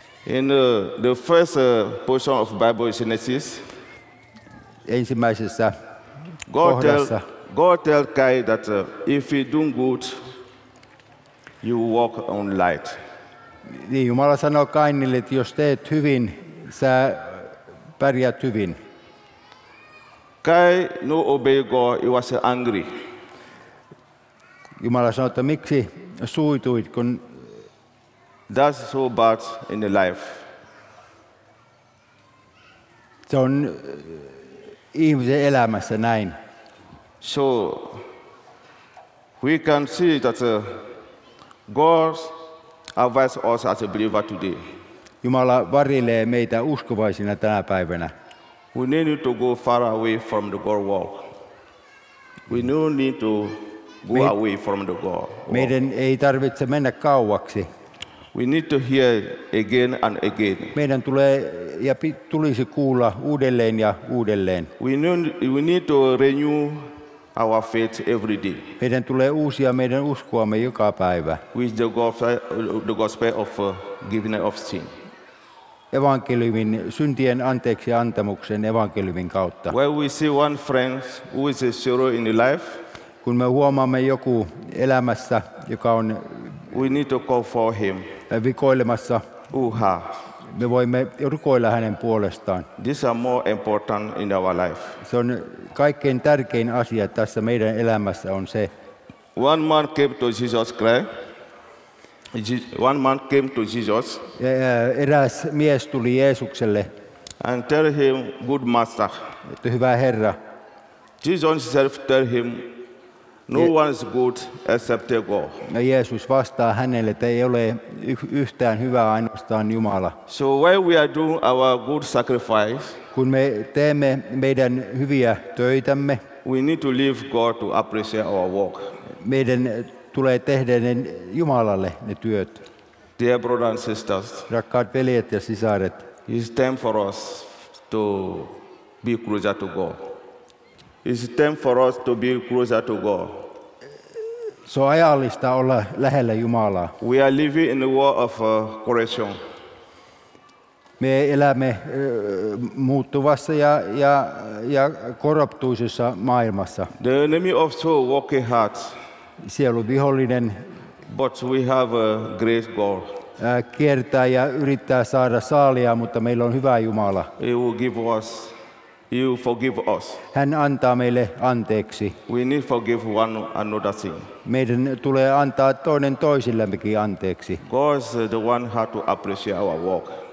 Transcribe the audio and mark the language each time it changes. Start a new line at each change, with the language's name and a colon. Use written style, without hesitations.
English: In the first portion of Bible is Genesis.
Finnish: Ensimmäisessä kohdassa.
English: God tell Cain that if you do good, you walk on light.
Finnish: Niin Jumala sanoo Kainille, että jos teet hyvin, sä pärjät hyvin.
English: Cain no obey God, he was angry.
Finnish: Jumala sanoo, että miksi suutuit, kun
English: that's so bad in the life.
Finnish: Se on ihmisen elämässä näin.
English: So we can see that God advises us as a believer today.
Finnish: Jumala varjelee meitä uskovaisina tänä päivänä.
English: We need to go far away from the God world. We no need to go away from the God world.
Finnish: Meidän ei tarvitse mennä kauaksi.
English: We need to hear again and again.
Finnish: Meidän tulee ja tulisi kuulla uudelleen ja uudelleen.
English: We need to renew our faith every day.
Finnish: Meidän tulee uusia meidän uskoamme joka päivä.
English: With the gospel of giving of sin.
Finnish: Evankeliumin syntien anteeksi antamuksen evankeliumin kautta.
English: When we see one friend who is a sorrow in his life,
Finnish: kun me huomaamme joku elämässä, joka on
English: we need to call for him.
Finnish: Vikoilemassa. Uha. Me voimme rukoilla hänen puolestaan.
English: This is more important in our life.
Finnish: Se on kaikkein tärkein asia tässä meidän elämässä on se.
English: One man came to Jesus Christ. One man came to Jesus.
Finnish: Eräs mies tuli Jeesukselle.
English: And tell him, good master.
Finnish: Että hyvä Herra.
English: Jesus himself tell him, no one is good except God.
Finnish: Jeesus vastaa hänelle, että ei ole yhtään hyvää ainoastaan Jumala.
English: So when we are doing our good sacrifice,
Finnish: kun me teemme meidän hyviä töitämme,
English: we need to leave God to appreciate our work.
Finnish: Meidän tulee tehdä ne Jumalalle ne työt.
English: Dear brothers and sisters,
Finnish: rakkaat veljet ja sisaret,
English: it's time for us to be closer to God. It's time for us to be closer to God.
Finnish: So ajallista olla lähellä Jumalaa.
English: We are living in a world of correction.
Finnish: Me elämme muuttuvassa ja korruptuisessa maailmassa.
English: The enemy of soul working hard.
Finnish: Sielu vihollinen.
English: But we have a great God.
Finnish: Kiertää ja yrittää saada saalia, mutta meillä on hyvä Jumala.
English: He will give us. You forgive us.
Finnish: Hän antaa meille anteeksi.
English: We need forgive one another thing.
Finnish: Meidän tulee antaa toinen toisillemmekin anteeksi.
English: God is the one who has to appreciate our work.